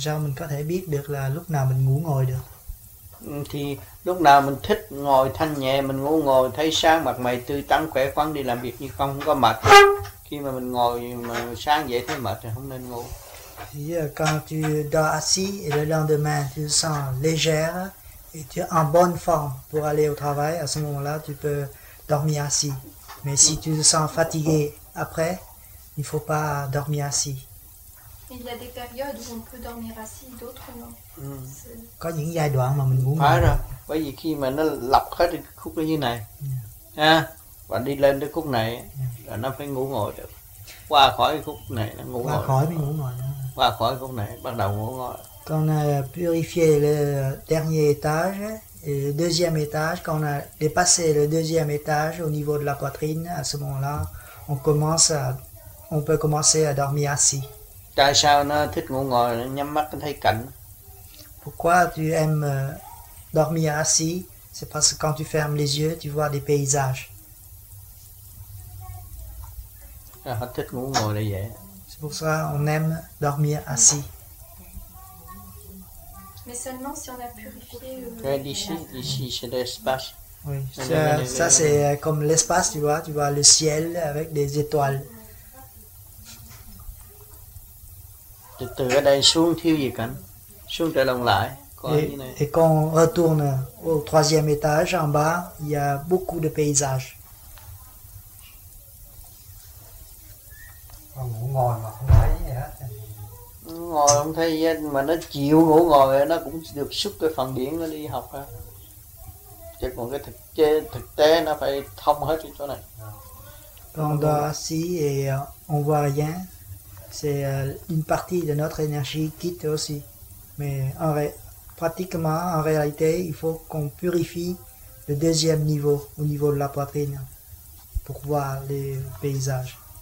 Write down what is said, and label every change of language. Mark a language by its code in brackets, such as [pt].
[vi] sao mình có thể biết được là lúc nào mình ngủ ngồi được? Thì lúc nào mình thích ngồi thanh nhẹ, mình ngủ ngồi thấy sáng mặt mày tươi tắn khỏe khoắn đi làm việc như không có mệt. Khi mà mình ngồi mà sáng dậy thấy mệt thì không nên ngủ. [fr] Quand tu dors assis et le lendemain tu sens légère et tu es en bonne forme pour aller au travail, à ce moment-là tu peux dormir assis. Mais si tu te sens fatigué après, il ne faut pas dormir assis. Il y a des périodes où on peut dormir assis, d'autres non. [vi] Có những giai đoạn mà mình muốn. Phải rồi. Bởi vì khi mà nó lọc hết cái khúc như này, ha, và đi lên cái khúc này, là nó phải ngủ ngồi được. Qua khỏi cái khúc này, nó ngủ qua ngồi. Qua khỏi mới ngủ ngồi. Qua khỏi khúc này, bắt đầu ngủ ngồi. [fr] Quand on a purifié le dernier étage, et le deuxième étage, quand on a dépassé le deuxième étage au niveau de la poitrine, à ce moment-là, on peut commencer à dormir assis. [vi] Tại sao nó thích ngủ ngồi, nhắm mắt thấy cảnh? [fr] Pourquoi tu aimes dormir assis? C'est parce que quand tu fermes les yeux, tu vois des paysages. [vi] Họ thích ngủ ngồi là vậy. [fr] C'est pour ça qu'on aime dormir assis. Mais seulement si on a purifié le... D'ici, c'est l'espace. Oui, ça c'est comme l'espace, tu vois. Tu vois le ciel avec des étoiles. [vi] Từ ở đây xuống thiếu gì cảnh, xuống trở lòng lại. [fr] Et quand on retourne au troisième étage, en bas, il y a beaucoup de paysages. [vi] Ngủ ngồi mà không thấy gì hết. Ngồi không thấy gì hết, mà nó chịu ngủ ngồi, nó cũng được xúc cái phần điển nó đi học ha. Chứ còn cái thực tế nó phải thông hết cái chỗ này. [fr] On dort assis et on voit rien. C'est une partie de notre énergie qui quitte aussi. Mais pratiquement, en réalité, il faut qu'on purifie le deuxième niveau, au niveau de la poitrine, pour voir les paysages.